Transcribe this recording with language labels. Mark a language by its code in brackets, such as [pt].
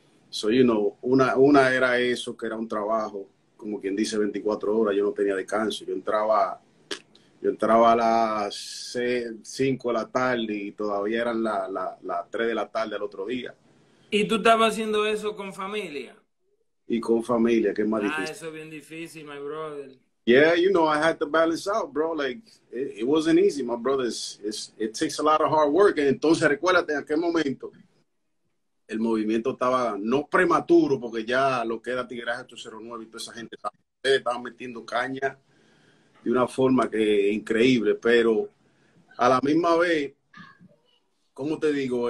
[es] So, una era eso, que era un trabajo, como quien dice, 24 horas, yo no tenía descanso. Yo entraba a las 6, 5 de la tarde y todavía eran la 3 de la tarde al otro día. ¿Y tú estabas haciendo eso con familia? Y con familia, que es más Ah, difícil. eso es bien difícil, [en] my brother. Yeah, I had to balance out, bro. It wasn't easy, my brothers. It takes a lot of hard work. [es] Y entonces, recuérdate, en aquel momento, el movimiento estaba no prematuro, porque ya lo que era Tigueraje 809 y toda esa gente estaba metiendo caña de una forma que es increíble, pero a la misma vez, ¿cómo te digo?